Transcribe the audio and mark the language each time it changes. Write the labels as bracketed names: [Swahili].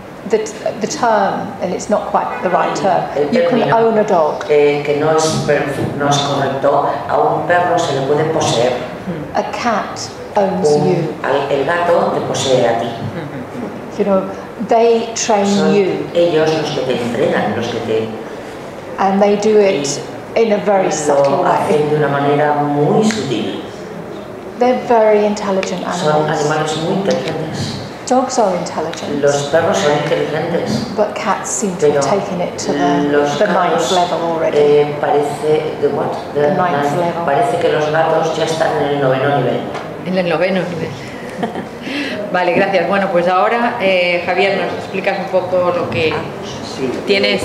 [English] the term, and it's not quite the right term, you can own a dog. [Spanish] Que no es correcto, a un perro se le puede poseer. [English] A cat owns you. [Spanish] El gato te posee a ti. [English] You know, they train you. [Spanish] Ellos los que te entrenan, los que te... [English] And they do it in a very subtle way. [Spanish] Hacen de una manera muy sutil. [English] They're very intelligent animals. [Spanish] Son animales muy inteligentes. [English] Dogs are intelligent. [Spanish] Los perros son inteligentes. [English] But cats seem to have taken it to the ninth level already. [Spanish] Parece [English] the what? The ninth level. [Spanish] Parece que los gatos ya están en el noveno nivel. En el noveno nivel. Vale, gracias. Bueno, pues ahora Javier, nos explicas un poco lo que tienes.